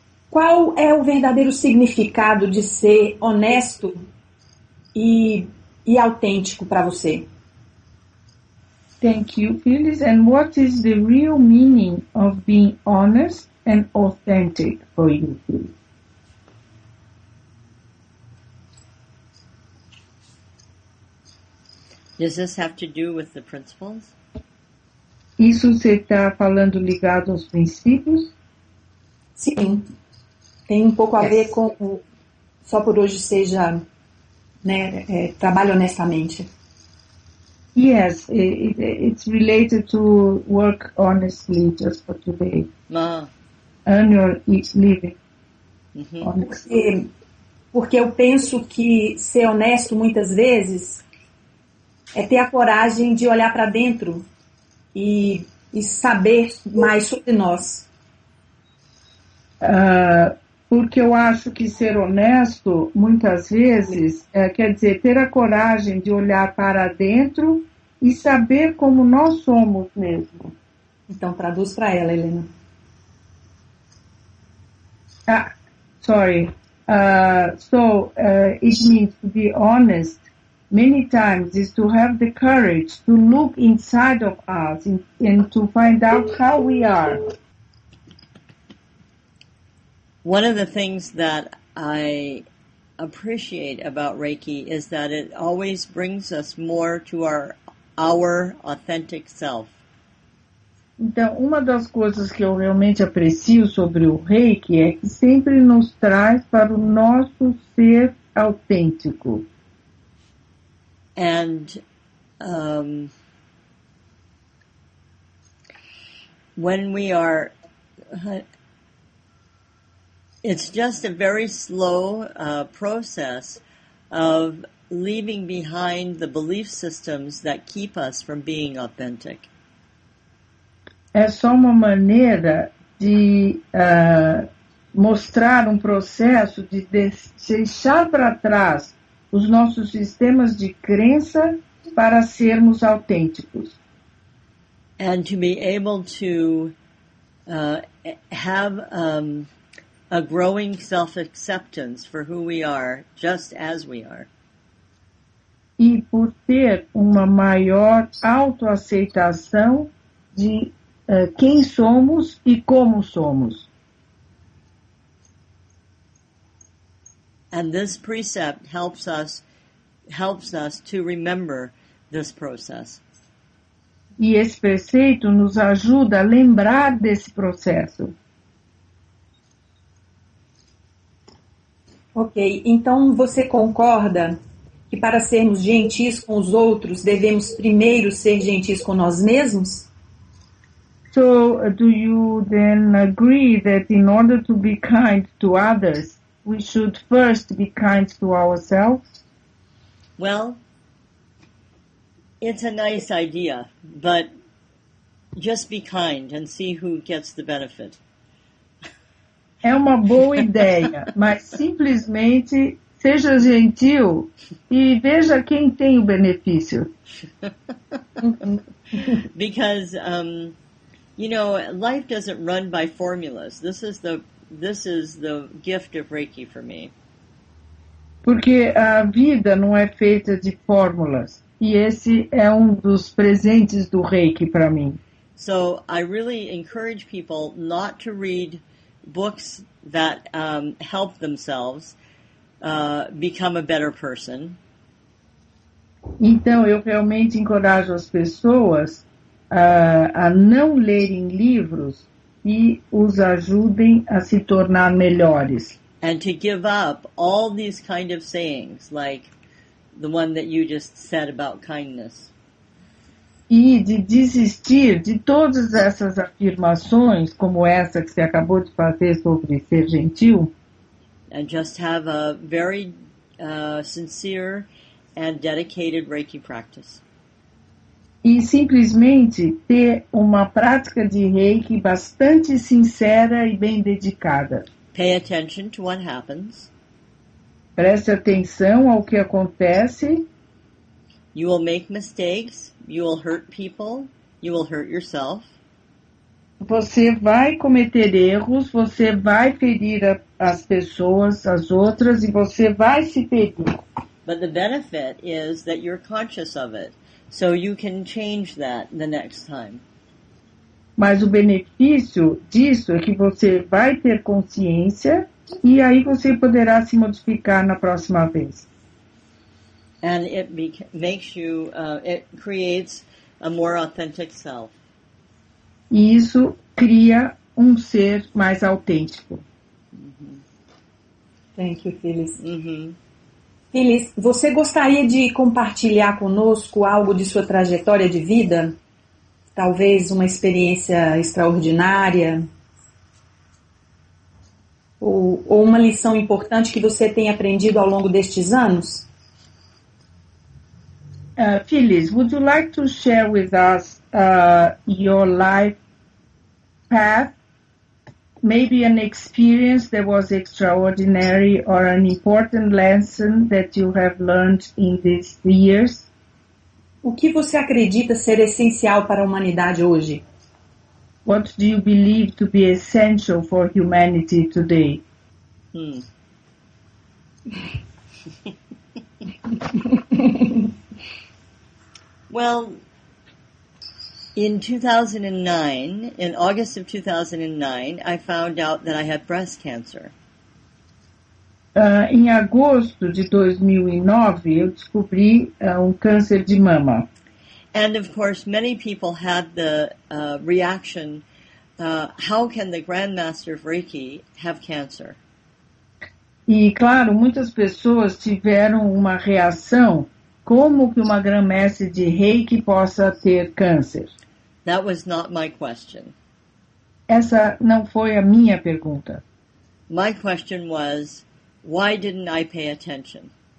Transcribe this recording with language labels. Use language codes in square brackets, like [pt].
[pt] Qual é o verdadeiro significado de ser honesto e autêntico para você? [en] Thank you, Phyllis. And what is the real meaning of being honest and authentic for you, Phyllis? Does this have to do with the principles? [pt] Isso você está falando ligado aos princípios? Sim. Tem pouco a ver com o só por hoje seja, né, trabalho honestamente. [en] Yes, it's related to work honestly just for today. Ah. Earn your living. Uhum. [pt] Porque eu penso que ser honesto muitas vezes é ter a coragem de olhar para dentro e saber mais sobre nós. Porque eu acho que ser honesto, muitas vezes, quer dizer, ter a coragem de olhar para dentro e saber como nós somos mesmo. Então, traduz para ela, Helena. [en] Ah, sorry. It means to be honest many times is to have the courage to look inside of us and to find out how we are. One of the things that I appreciate about Reiki is that it always brings us more to our authentic self. [pt] Então, uma das coisas que eu realmente aprecio sobre o Reiki é que sempre nos traz para o nosso ser autêntico. [en] And when we are... It's just a very slow process of leaving behind the belief systems that keep us from being authentic. [pt] É só uma maneira de mostrar processo de deixar para trás os nossos sistemas de crença para sermos autênticos. [en] And to be able to have a growing self-acceptance for who we are, just as we are. [pt] E por ter uma maior autoaceitação de quem somos e como somos. [en] And this precept helps us to remember this process. [pt] E esse preceito nos ajuda a lembrar desse processo. Ok, então você concorda que para sermos gentis com os outros, devemos primeiro ser gentis com nós mesmos? [en] So, do you then agree that in order to be kind to others, we should first be kind to ourselves? Well, it's a nice idea, but just be kind and see who gets the benefit. [pt] É uma boa ideia, mas simplesmente seja gentil e veja quem tem o benefício. [en] Because, you know, life doesn't run by formulas. This is the gift of Reiki for me. [pt] Porque a vida não é feita de fórmulas. E esse é um dos presentes do Reiki para mim. [en] So, I really encourage people not to read books that help themselves become a better person. [pt] Então, eu realmente encorajo as pessoas a não lerem livros e os ajudem a se tornar melhores. [en] And to give up all these kind of sayings, like the one that you just said about kindness. [pt] E de desistir de todas essas afirmações, como essa que você acabou de fazer sobre ser gentil. [en] And just have a very sincere and dedicated Reiki practice. [pt] E simplesmente ter uma prática de Reiki bastante sincera e bem dedicada. [en] Pay attention to what happens. [pt] Preste atenção ao que acontece. [en] You will make mistakes. You will hurt people. You will hurt yourself. [pt] Você vai cometer erros. Você vai ferir as pessoas, as outras, e você vai se ferir. [en] But the benefit is that you're conscious of it, so you can change that the next time. [pt] Mas o benefício disso é que você vai ter consciência e aí você poderá se modificar na próxima vez. [en] And it makes you, it creates a more authentic self. [pt] E isso cria um ser mais autêntico. [en] Mm-hmm. Thank you, Phyllis. Mm-hmm. [pt] Phyllis, você gostaria de compartilhar conosco algo de sua trajetória de vida? Talvez uma experiência extraordinária? Ou uma lição importante que você tenha aprendido ao longo destes anos? [en] Phyllis, would you like to share with us your life path? Maybe an experience that was extraordinary or an important lesson that you have learned in these years? [pt] O que você acredita ser essencial para a humanidade hoje? [en] What do you believe to be essential for humanity today? Well, in 2009, in August of 2009, I found out that I had breast cancer. [pt] Em agosto de 2009, eu descobri um câncer de mama. [en] And of course, many people had the reaction, how can the Grandmaster of Reiki have cancer? [pt] E claro, muitas pessoas tiveram uma reação. Como que uma grã-mestre de Reiki possa ter câncer? [en] That was not my question. [pt] Essa não foi a minha pergunta. [en] My question was, why didn't I pay attention?